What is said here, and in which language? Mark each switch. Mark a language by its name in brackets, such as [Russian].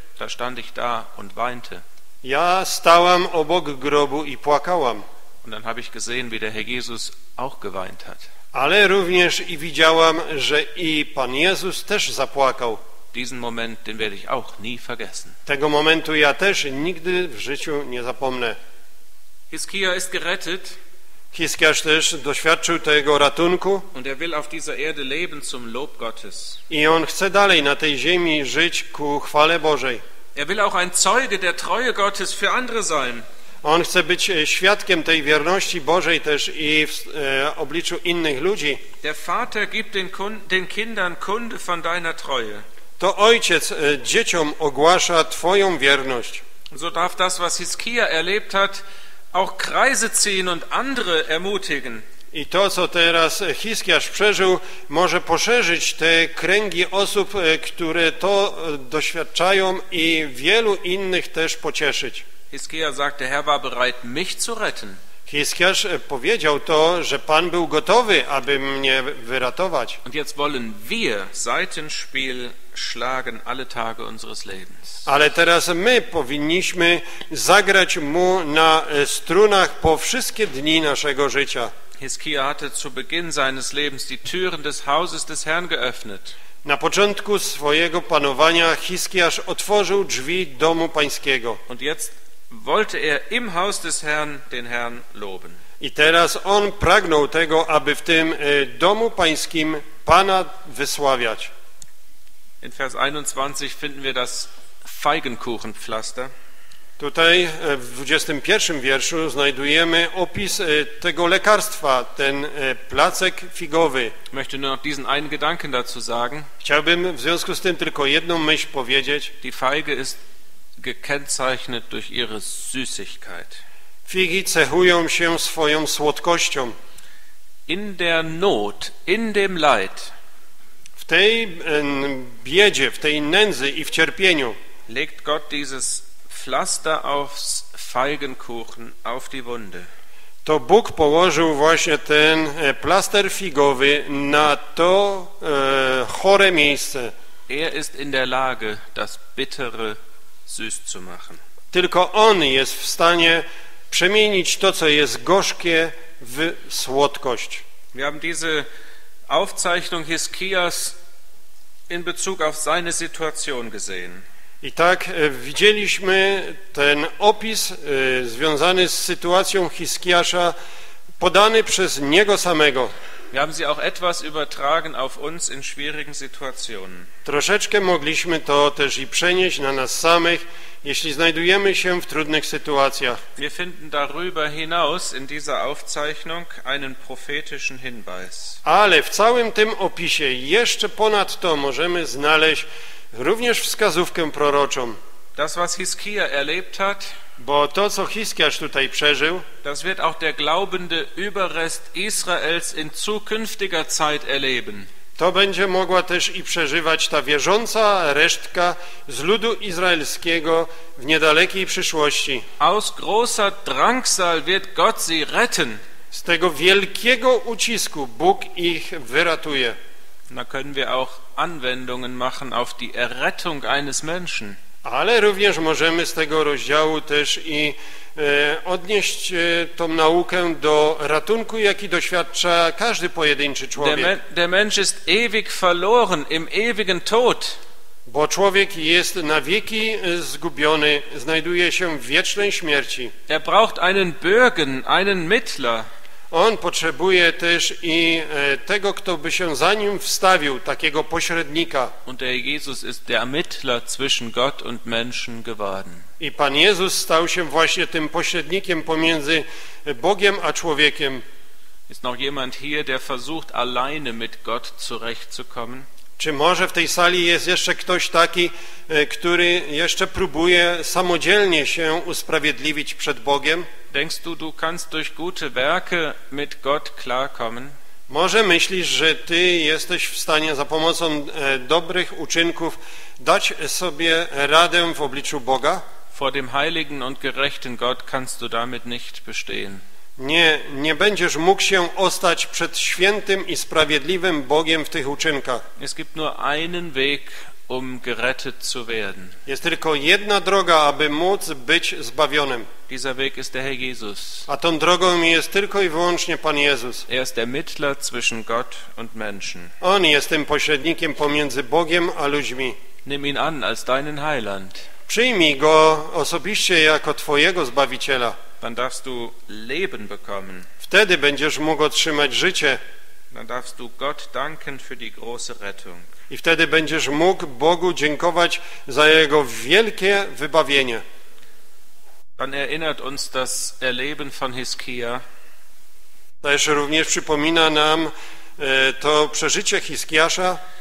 [German] da stand ich da und weinte. [Polish] Ja stałam obok grobu i płakałam. [German] Und dann habe ich gesehen, wie der Herr Jesus auch geweint hat. [Polish] Ale również i widziałam, że i Pan Jezus też zapłakał. [German] Diesen Moment, den werde ich auch nie vergessen. [Polish] Tego momentu ja też nigdy w życiu nie zapomnę. [German] Hiskia ist gerettet. [Polish] Hiskiasz też doświadczył tego ratunku. [German] Und er will auf dieser Erde leben zum Lob Gottes. [Polish] I on chce dalej na tej ziemi żyć ku chwale Bożej. [German] Er will auch ein Zeuge der Treue Gottes für andere sein. [Polish] On chce być świadkiem tej wierności Bożej też i w obliczu innych ludzi. [German] Der Vater gibt den Kindern Kunde von deiner Treue. [Polish] To ojciec dzieciom ogłasza twoją wierność. [German] So darf das, was Hiskia erlebt hat, auch Kreise ziehen und andere ermutigen. [Polish] I to, co teraz Hiskiasz przeżył, może poszerzyć te kręgi osób, które to doświadczają, i wielu innych też pocieszyć. [German] Hiskia sagt, der Herr war bereit, mich zu retten. [Polish] Hiskiasz powiedział to, że Pan był gotowy, aby mnie wyratować. [German] Und jetzt wollen wir Seitenspiel schlagen alle Tage unseres Lebens. [Polish] Ale teraz my powinniśmy zagrać mu na strunach po wszystkie dni naszego życia. [German] Hiskia hatte zu Beginn seines Lebens die Türen des Hauses des Herrn geöffnet. [Polish] Na początku swojego panowania Hiskiasz otworzył drzwi domu Pańskiego. [German] Und jetzt wollte er im Haus des Herrn den Herrn loben. [Polish] I teraz on pragnął tego, aby w tym domu Pańskim Pana wysławiać. [German] In Vers 21 finden wir das Feigenkuchenpflaster. [Polish] Tutaj w 21 wierszu znajdujemy opis tego lekarstwa, ten placek figowy. [German] Möchte nur noch diesen einen Gedanken dazu sagen. [Polish] Chciałbym w związku z tym tylko jedną myśl powiedzieć. [German] Die Feige ist gekennzeichnet durch ihre Süßigkeit. [Polish] Figi cechują się swoją słodkością. [German] In der Not, in dem Leid. [Polish] W tej biedzie, w tej nędzy i w cierpieniu [German] legt Gott dieses Pflaster aufs Feigenkuchen, auf die Wunde. [Polish] To Bóg położył właśnie ten plaster figowy na to chore miejsce. [German] Er ist in der Lage, das Bittere süß zu machen. [Polish] Tylko on jest w stanie przemienić to, co jest gorzkie, w słodkość. [German] Wir haben diese Aufzeichnung Hiskias in Bezug auf seine Situation gesehen. [Polish] I tak widzieliśmy ten opis związany z sytuacją Hiskiasza podany przez niego samego. [German] Wir haben sie auch etwas übertragen auf uns in schwierigen Situationen. [Polish] Troszeczkę mogliśmy to też i przenieść na nas samych, jeśli znajdujemy się w trudnych sytuacjach. [German] Wir finden darüber hinaus in dieser Aufzeichnung einen prophetischen Hinweis. [Polish] Ale w całym tym opisie jeszcze ponad to możemy znaleźć również wskazówkę proroczą. [German] Das, was Hiskia erlebt hat, [Polish] bo to, co Hiskiasz tutaj przeżył, [German] das wird auch der glaubende Überrest Israels in zukünftiger Zeit erleben. [Polish] To będzie mogła też i przeżywać ta wierząca resztka z ludu izraelskiego w niedalekiej przyszłości. [German] Aus großer Drangsal wird Gott sie retten. [Polish] Z tego wielkiego ucisku Bóg ich wyratuje. [German] Da können wir auch Anwendungen machen auf die Errettung eines Menschen. [Polish] Ale również możemy z tego rozdziału też i odnieść tą naukę do ratunku, jaki doświadcza każdy pojedynczy człowiek. [German] Der Mensch ist ewig verloren im ewigen Tod. [Polish] Bo człowiek jest na wieki zgubiony, znajduje się w wiecznej śmierci. [German] Er braucht einen Bürgen, einen Mittler. [Polish] On potrzebuje też i tego, kto by się za nim wstawił, takiego pośrednika. [German] Und der Jesus ist der Mittler zwischen Gott und Menschen geworden. [Polish] I Pan Jezus stał się właśnie tym pośrednikiem pomiędzy Bogiem a człowiekiem. [German] Ist noch jemand hier, der versucht alleine mit Gott zurechtzukommen? [Polish] Czy może w tej sali jest jeszcze ktoś taki, który jeszcze próbuje samodzielnie się usprawiedliwić przed Bogiem? [German] Denkst du, du kannst durch gute Werke mit Gott klarkommen? [Polish] Może myślisz, że ty jesteś w stanie za pomocą dobrych uczynków dać sobie radę w obliczu Boga? [German] Vor dem heiligen und gerechten Gott kannst du damit nicht bestehen. [Polish] Nie, nie będziesz mógł się ostać przed świętym i sprawiedliwym Bogiem w tych uczynkach. [German] Es gibt nur einen Weg, um gerettet zu werden. [Polish] Jest tylko jedna droga, aby móc być zbawionym. [German] Dieser Weg ist der Herr Jesus. [Polish] A tą drogą jest tylko i wyłącznie Pan Jezus. [German] Er ist der Mittler zwischen Gott und Menschen. [Polish] On jest tym pośrednikiem pomiędzy Bogiem a ludźmi. [German] Nimm ihn an als deinen Heiland. [Polish] Przyjmij go osobiście jako twojego Zbawiciela. [German] Dann darfst du Leben bekommen. [Polish] Wtedy będziesz mógł otrzymać życie. [German] Dann darfst du Gott danken für die große Rettung. [Polish] I wtedy będziesz mógł Bogu dziękować za jego wielkie wybawienie. [German] Dann erinnert uns das Erleben von Hiskia. [Polish] Też również przypomina nam to przeżycie Hiskiasza.